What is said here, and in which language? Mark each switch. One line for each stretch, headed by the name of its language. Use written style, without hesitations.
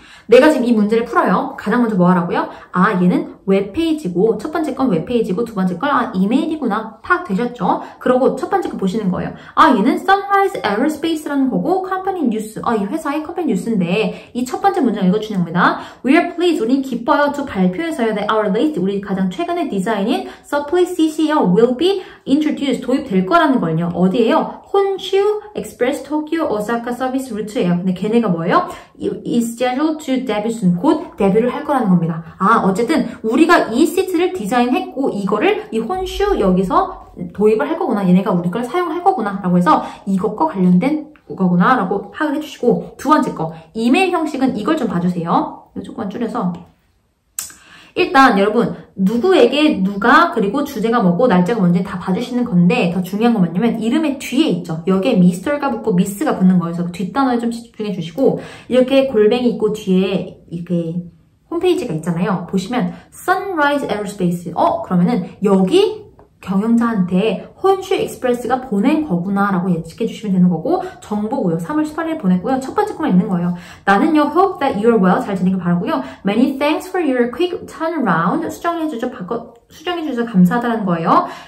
Korean: 내가 지금 이 문제를 풀어요. 가장 먼저 뭐 하라고요? 아, 얘는 웹페이지고 첫 번째 건 웹페이지고 두 번째 건 아, 이메일이구나. 파악되셨죠? 그러고 첫 번째 거 보시는 거예요. 아, 얘는 Sunrise Aerospace라는 거고 Company News. 아, 이 회사의 Company News인데 이 첫 번째 문장 읽어주는 겁니다.
English: We are pleased.
Korean: 우린 기뻐요.
English: To
Korean: 발표해서요.
English: That our latest,
Korean: 우리 가장 최근의 디자인인
English: Supply CCO will be introduced.
Korean: 도입될 거라는 걸요. 어디예요? Honshu Express Tokyo Osaka Service Route예요. 근데 걔네가 뭐예요?
English: Is scheduled to debut soon.
Korean: 곧 데뷔를 할 거라는 겁니다. 아, 어쨌든 우리가 이 시트를 디자인했고 이거를 이 혼슈 여기서 도입을 할 거구나. 얘네가 우리 걸 사용할 거구나. 라고 해서 이것과 관련된 거구나. 라고 파악을 해주시고 두 번째 거. 이메일 형식은 이걸 좀 봐주세요. 조금만 줄여서. 일단 여러분 누구에게 누가 그리고 주제가 뭐고 날짜가 뭔지 다 봐주시는 건데 더 중요한 건 뭐냐면 이름의 뒤에 있죠. 여기에 미스터가 붙고 미스가 붙는 거여서 뒷단어에 좀 집중해 주시고 이렇게 골뱅이 있고 뒤에 이렇게 홈페이지가 있잖아요. 보시면 Sunrise Aerospace. 그러면은 여기 경영자한테 혼슈 익스프레스가 보낸 거구나 라고 예측해 주시면 되는 거고 정보고요. 3월 18일 보냈고요. 첫 번째 코만 있는 거예요. 나는요.
English: Hope that you're well.
Korean: 잘 지내길 바라고요.
English: Many thanks for your quick turnaround.
Korean: 수정해 주셔서 감사하다는 거예요.